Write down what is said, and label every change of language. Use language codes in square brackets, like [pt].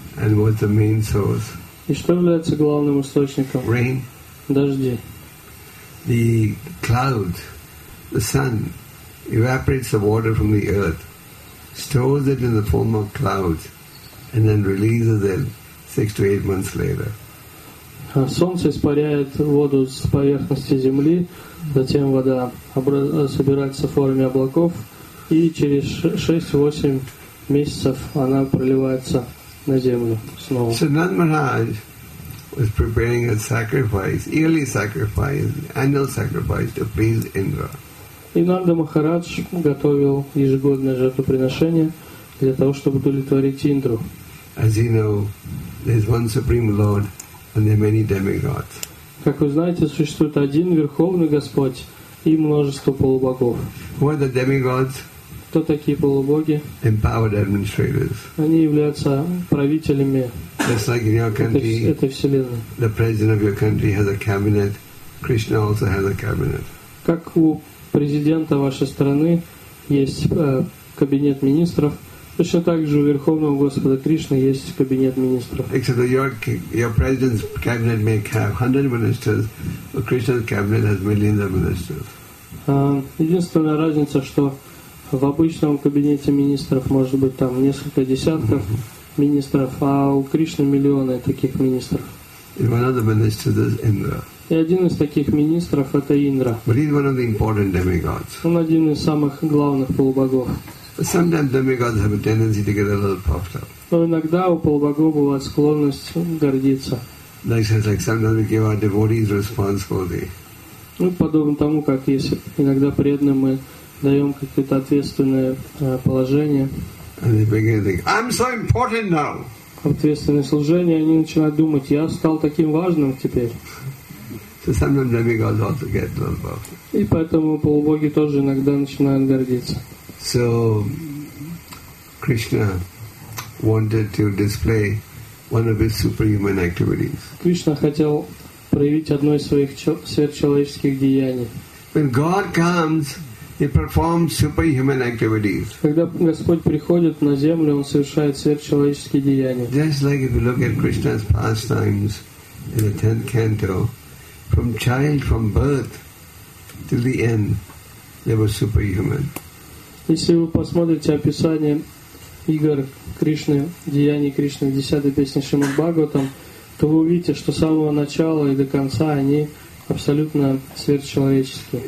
[en] And what's the main source? [ru] И что является главным источником? [en] Rain. [ru] Дожди. [en] The cloud, the sun, evaporates the water from the earth, stores it in the form of clouds, and then releases it 6 to 8 months later. [ru] Солнце испаряет воду с поверхности земли, затем вода собирается в форме облаков, и через 6-8 месяцев она проливается на землю снова. [en] So Nand Maharaj was preparing a sacrifice, yearly sacrifice, annual sacrifice to please Indra. [ru] И Нанда Махарадж готовил ежегодное жертвоприношение для того, чтобы удовлетворить Индру. [en] As you know, there is one supreme Lord, and there are many demigods. [ru] Как вы знаете, существует один верховный Господь и множество полубогов. [en] Who are the demigods? [ru] Кто такие полубоги? [en] Empowered administrators. [ru] Они являются правителями. [en] Just like in your country, [ru] этой вселенной. [en] The president of your country has a cabinet. Krishna also has a cabinet. [ru] Как у президента вашей страны есть кабинет министров, точно так же у Верховного Господа Кришны есть кабинет министров. [en] Except that your president's cabinet may have 100 ministers, but Krishna's cabinet has millions of ministers. [ru] Единственная разница, что в обычном кабинете министров может быть там несколько десятков министров, а у Кришны миллионы таких министров. [en] And one of the ministers is Indra. [ru] И один из таких министров — это Индра. [en] But he's one of the important demigods. [ru] Он один из самых главных полубогов. [en] Sometimes demigods have a tendency to get a little puffed up. [ru] Но иногда у полубогов бывает склонность гордиться. [en] Like sometimes we give our devotees responsibility. [ru] Ну, подобно тому, как если иногда преданным мы даем какое-то ответственное положение. [en] And they begin to think, I'm so important now. [ru] Ответственное служение, они начинают думать, я стал таким важным теперь. [en] So sometimes demigods also get a little puffed. [ru] И поэтому полубоги тоже иногда начинают гордиться. [en] So Krishna wanted to display one of his superhuman activities. [ru] Кришна хотел проявить одно из своих сверхчеловеческих деяний. [en] When God comes, He performs superhuman activities. [ru] Когда Господь приходит на землю, Он совершает сверхчеловеческие деяния. [en] Just like if you look at Krishna's pastimes in the 10th canto, from child, from birth till the end, they were superhuman. [ru] Если вы посмотрите описание игр Кришны, деяний Кришны в 10-й песне Шримад Бхагаватам, то вы увидите, что с самого начала и до конца они абсолютно сверхчеловеческие.